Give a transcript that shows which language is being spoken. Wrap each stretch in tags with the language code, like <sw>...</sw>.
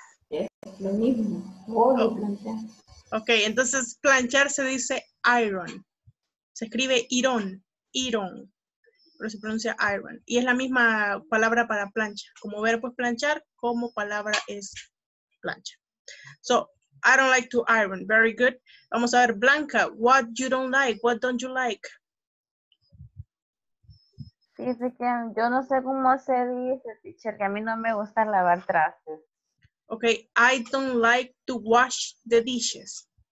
<es>Yes, lo mismo. Oh, oh. Planchar. Ok, entonces planchar se dice iron. Se escribe iron, iron, pero se pronuncia iron. Y es la misma palabra para plancha. Como verbo es planchar, como palabra es plancha.</es> <en>So, I don't like to iron. Very good.</en> <es>Vamos a ver,</es> <en>Blanca, what you don't like? What don't you like?</en> <es>Sí, sí, que yo no sé cómo se dice, teacher, que a mí no me gusta lavar trastes.</es> <en>Okay, I don't like to wash the dishes.</en>